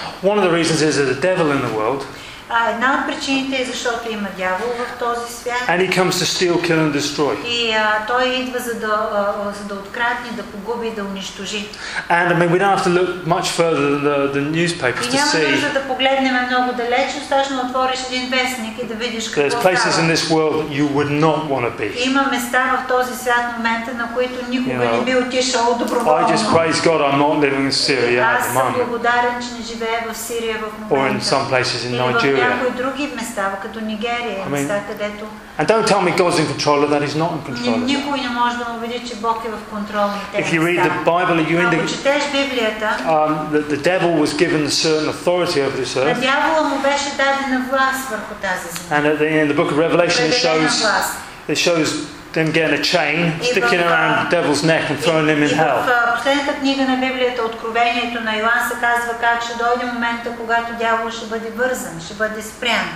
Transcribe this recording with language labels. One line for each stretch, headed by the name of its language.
English: One of the reasons is there's a devil in the world.
Bulgarian: Една от причините е защото има дявол в този свят.
English: And he comes to steal, kill and destroy.
Bulgarian: И той идва за да открадне, да погуби, да унищожи.
English: And I mean we don't have to look much further than the newspapers to see.
Bulgarian: Няма нужда да погледнем много далеч, достатъчно отвориш един вестник и да видиш какво.
English: There's places in this world that you would not want to be.
Bulgarian: Има места в този свят момента, на които никога не би отишъл доброволно.
English: I just praise God I'm not living in Syria at the moment.
Bulgarian: Аз съм благодарен, че не живея в Сирия в момента.
English: Or in some places in Nigeria.
Bulgarian: Някои други места, като Нигерия, места, където.
English: And don't tell me God's in control of that, he's not in control.
Bulgarian: Никой не може да му види, че Бог е в контрол на тези.
English: If you read the Bible, you in the the devil was given a certain authority over this earth.
Bulgarian: Дяволът му беше даден власт върху тази земя.
English: And at the end, in the book of Revelation it shows them getting a chain, sticking around the devil's neck and throwing him in hell.
Bulgarian: В последната книга на Библията, Откровението на Йоан, се казва как ще дойде момента, когато дявол ще бъде вързан, ще бъде спрян.